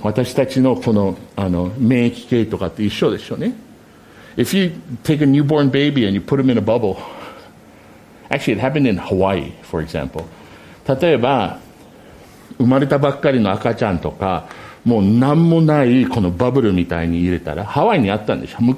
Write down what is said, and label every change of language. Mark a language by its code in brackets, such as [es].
[ja] 私たちのこの、免疫系とかって一緒でしょうね。 [en] If you take a newborn baby and you put him in a bubble, actually it happened in Hawaii, for example. [ja] 例えば、生まれたばっかりの赤ちゃんとか、もう何もないこのバブルみたいに入れたら、ハワイにあったんでしょ。